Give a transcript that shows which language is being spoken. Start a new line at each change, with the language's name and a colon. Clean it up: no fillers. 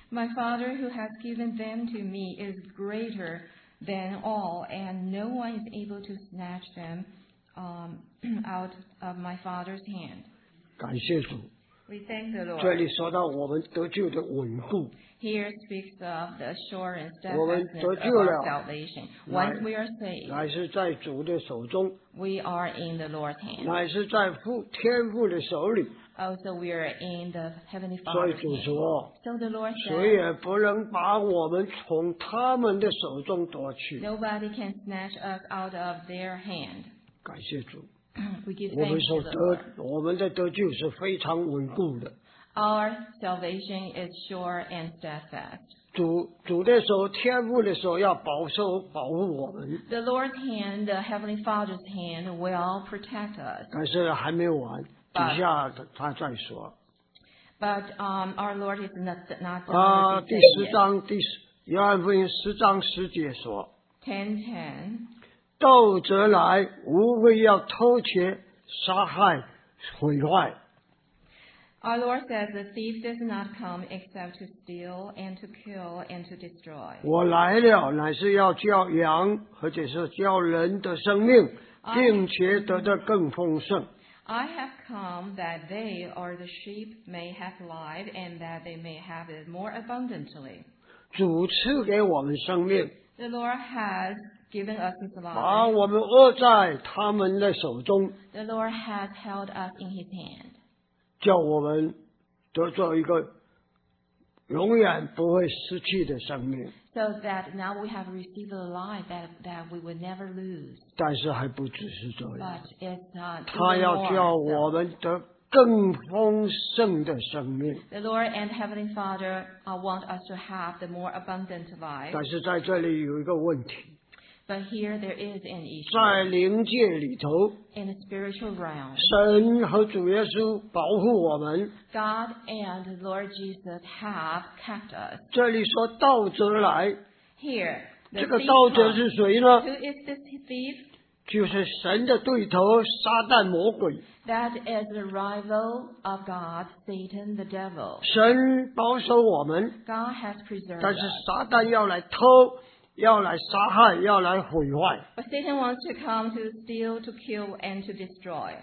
English: My father who has given them to me is greater than all, and no one is able to snatch them out of my father's hand.
Chinese: 感谢主。
English: We thank the Lord.
Chinese: 这里说到我们得救的稳固。
English: Here speaks of the assurance that
Chinese: 我们得救了。
English: Salvation. Once we are saved,
Chinese: 乃是在主的手中。
English: We are in the Lord's hand.
Chinese: 乃是在父天父的手里。
English: Also, we are in the Heavenly Father's hand. So the Lord said, nobody can snatch us out of their hand.
Chinese: 感谢主。
English: We give thanks to the Lord. Our salvation is sure and steadfast.
Chinese: 主的手，天父的手要保守保护我们。
English: The Lord's hand, the Heavenly Father's hand will protect us.
Chinese: 但是还没完，底下他再说。
English: But our Lord is not the Lord.
Chinese: 第十章，第十，约翰福音十章十节说。
English: 10:10
Chinese: 盗贼来，无非要偷窃、杀害、毁坏。
English: Our Lord says the thief does not come except to steal and to kill and to destroy.
Chinese: 我来了，乃是要叫羊，或者是叫人的生命，并且得的更丰盛。
English: I have come that they or the sheep may have life, and that they may have it more abundantly.
Chinese: 主赐给我们生命。
English: The Lord has. Given us his life.
Chinese: 把我们握在他们的手中
English: The Lord has held us in his hand.
Chinese: 叫我们得着一个永远不会失去的生命
English: So that now we have received a life that we would never lose.
Chinese: 但是还不只是这样
English: But it's not
Chinese: too 他要叫我们得更丰盛的生命
English: The Lord and Heavenly Father want us to have the more abundant life.
Chinese: 但是在这里有一个问题
English: But here there is an issue.
Chinese: 在灵界里头
English: In the spiritual realm.
Chinese: 神和主耶稣保护我们
English: God and the Lord Jesus have kept us.
Chinese: 这里说盗贼来
English: Here, the
Chinese: thief 这个盗贼是谁呢
English: Who is this thief?
Chinese: 就是神的对头撒旦魔鬼
English: That is the rival of God, Satan the devil.
Chinese: 神保守我们
English: God has preserved us.
Chinese: 但是撒旦要来偷要来杀害，要来毁坏。
English: But Satan wants to come to steal, to kill, and to destroy.